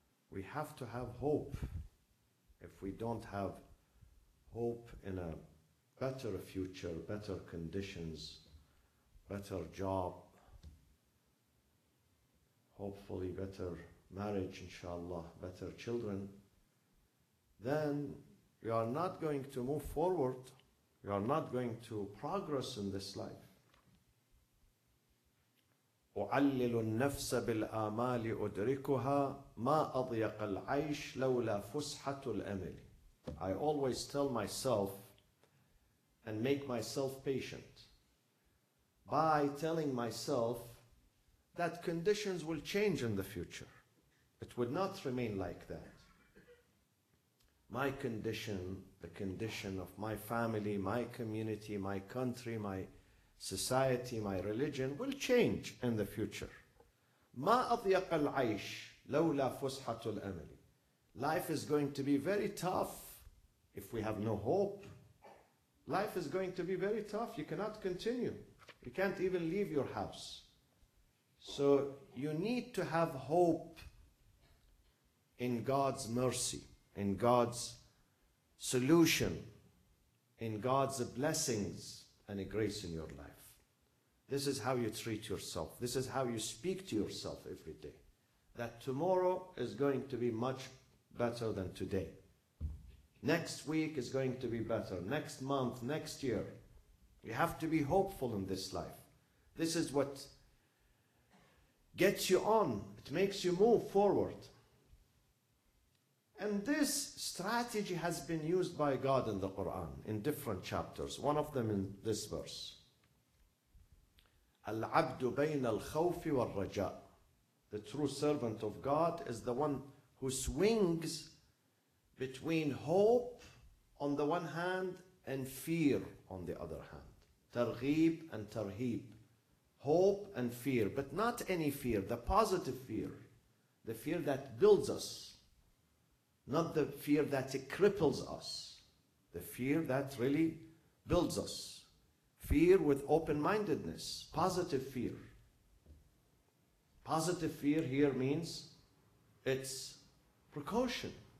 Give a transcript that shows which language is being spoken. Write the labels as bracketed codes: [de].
[en] We have to have hope. If we don't have hope in a better future, better conditions, better job, hopefully better marriage, inshallah, better children, then we are not going to move forward. We are not going to progress in this life. [ar] أعلل النفس بالآمال أدركها ما أضيق العيش لولا فسحة الأمل. [en] I always tell myself and make myself patient by telling myself that conditions will change in the future. It would not remain like that. My condition, the condition of my family, my community, my country, my society, my religion will change in the future. [ar] ما أضيق العيش لولا فسحة الأمل. [en] Life is going to be very tough if we have no hope. Life is going to be very tough. You cannot continue. You can't even leave your house. So you need to have hope in God's mercy, in God's solution, in God's blessings and a grace in your life. This is how you treat yourself. This is how you speak to yourself every day. That tomorrow is going to be much better than today. Next week is going to be better. Next month, next year. You have to be hopeful in this life. This is what gets you on. It makes you move forward. And this strategy has been used by God in the Quran in different chapters. One of them in this verse. [ar] العبد بين الخوف والرجاء. [en] The true servant of God is the one who swings between hope on the one hand and fear on the other hand. [ar] ترغيب and ترهيب. [en] Hope and fear, but not any fear, the positive fear, the fear that builds us, not the fear that cripples us, the fear that really builds us. Fear with open-mindedness, positive fear. Positive fear here means it's precaution.